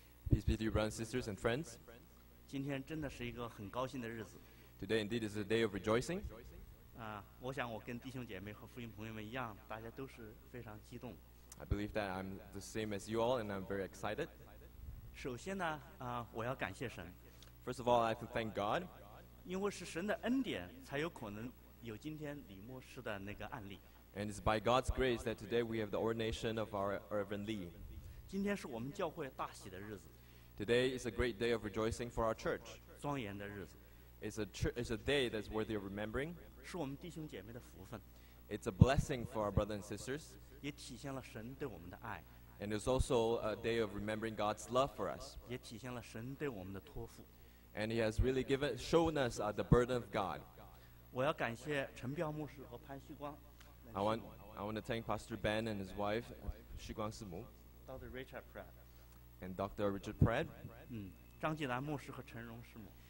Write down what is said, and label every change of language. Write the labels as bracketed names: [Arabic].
[English] Peace be to you, brothers and sisters and friends. Today indeed is a day of rejoicing. I believe that I'm the same as you all, and I'm very excited. [Chinese] 首先呢, 我要感谢神。 [English] First of all, I have to thank God. [Chinese] 因为是神的恩典，才有可能有今天李牧师的那个案例。 [English] And it's by God's grace that today we have the ordination of our Reverend Lee. [Chinese] 今天是我们教会大喜的日子。 [English] Today is a great day of rejoicing for our church. [Chinese] 庄严的日子。 [English] It's a day that's worthy of remembering. [Chinese] 是我们弟兄姐妹的福分。 [English] It's a blessing for our brothers and sisters. [Chinese] 也体现了神对我们的爱。 [English] And it's also a day of remembering God's love for us. [Chinese] 也体现了神对我们的托付。 [English] And he has really shown us the burden of God. [Chinese] 我要感谢陈彪牧师和潘旭光。 [English] I want to thank Pastor Ben and his wife, Xu Guang Simu, Dr. Richard Pratt, and Dr. Richard Pratt, [Chinese] 张继南牧师和陈荣师母,